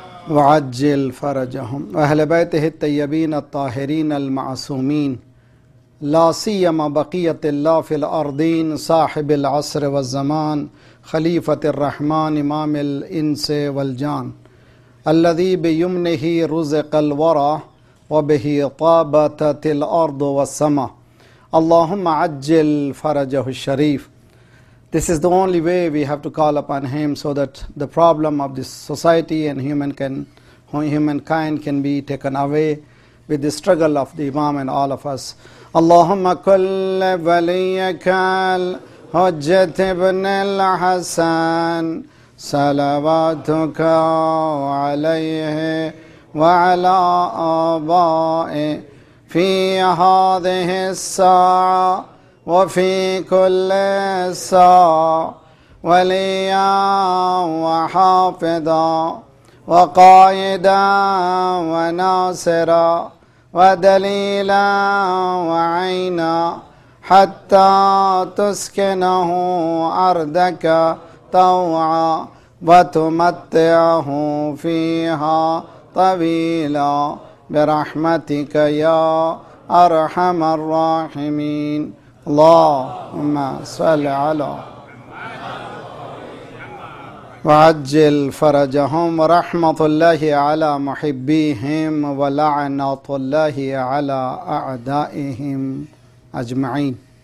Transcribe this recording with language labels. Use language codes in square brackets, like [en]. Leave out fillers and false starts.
[ar] وعجل فرجهم أهل بيته الطيبين الطاهرين المعصومين لا سيما بقية الله في الأرضين صاحب العصر والزمان خليفة الرحمن إمام الإنس والجان الذي بيمنه رزق الورى وبه طابت الأرض والسماء اللهم عجل فرجه الشريف. [en] This is the only way we have to call upon him so that the problem of this society and humankind can be taken away with the struggle of the Imam and all of us. [ar] Allahumma kull waliyakal hujjat ibn al-Hasan salawatuka alayhi wa ala abai fi hadhihi as-sa'a وفي كل ساعة وليا وحافظا وقائدا وناصرا ودليلا وعينا حتى تسكنه أرضك طوعا وتمتعه فيها طويلا برحمتك يا أرحم الراحمين. اللهم صل على وعجل فرجهم ورحمة الله على محبيهم ولعنة الله على أعدائهم أجمعين.